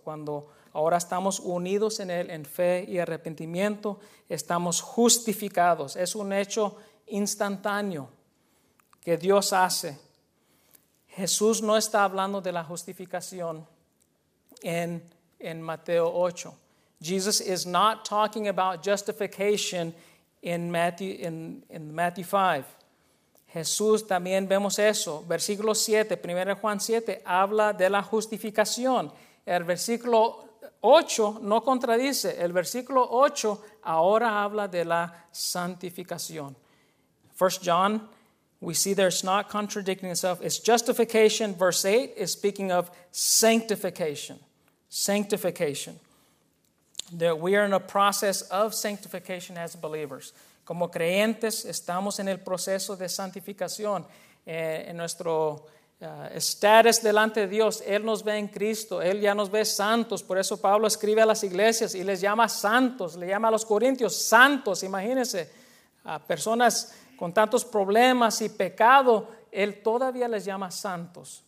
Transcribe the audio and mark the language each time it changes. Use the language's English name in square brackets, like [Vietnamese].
[Spanish] Cuando ahora estamos unidos en Él en fe y arrepentimiento, estamos justificados. Es un hecho instantáneo que Dios hace. Jesús no está hablando de la justificación en Mateo 8. [English] Jesus is not talking about justification in Matthew 5. [Spanish] Jesús, también vemos eso. Versículo 7, 1 Juan 7, habla de la justificación. El versículo 8 no contradice. El versículo 8 ahora habla de la santificación. [English] 1 John, we see there's not contradicting itself. It's justification. Verse 8 is speaking of sanctification. Sanctification. That we are in a process of sanctification as believers. [Spanish] Como creyentes, estamos en el proceso de santificación. En nuestro status delante de Dios, Él nos ve en Cristo. Él ya nos ve santos. Por eso Pablo escribe a las iglesias y les llama santos. Le llama a los corintios santos. Imagínense, a personas con tantos problemas y pecado, Él todavía les llama santos.